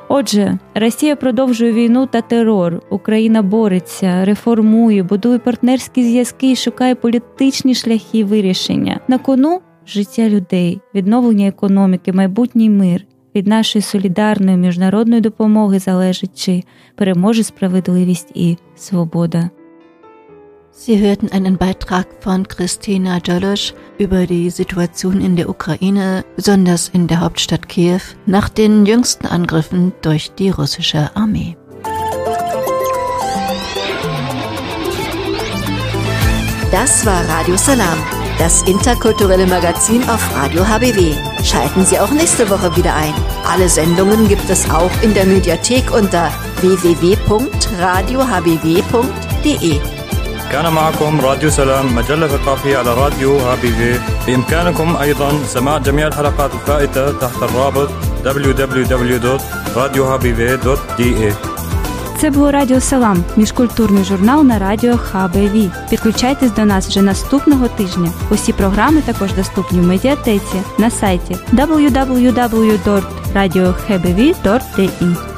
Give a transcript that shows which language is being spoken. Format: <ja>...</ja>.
<uk>Отже, Росія продовжує війну та терор. Україна бореться, реформує, будує партнерські зв'язки і шукає політичні шляхи вирішення. На кону – життя людей, відновлення економіки, майбутній мир. Від нашої солідарної міжнародної допомоги залежить, чи переможе справедливість і свобода.</uk> <de>Sie hörten einen Beitrag von Christina Jolosch über die Situation in der Ukraine, besonders in der Hauptstadt Kiew, nach den jüngsten Angriffen durch die russische Armee. Das war Radio Salam, das interkulturelle Magazin auf Radio HBW. Schalten Sie auch nächste Woche wieder ein. Alle Sendungen gibt es auch in der Mediathek unter www.radiohbw.de.</de> <ar>كان معكم راديو سلام مجلة ثقافية على راديو HBW. بإمكانكم أيضا سماع جميع الحلقات الفائتة تحت الرابط www.radiohbw.de.</ar> <uk>Це було Радіо Салам, міжкультурний журнал на радіо HBW. Підключайтесь до нас вже наступного тижня. Усі програми також доступні в медіатеці на сайті www.radiohbw.de.</uk>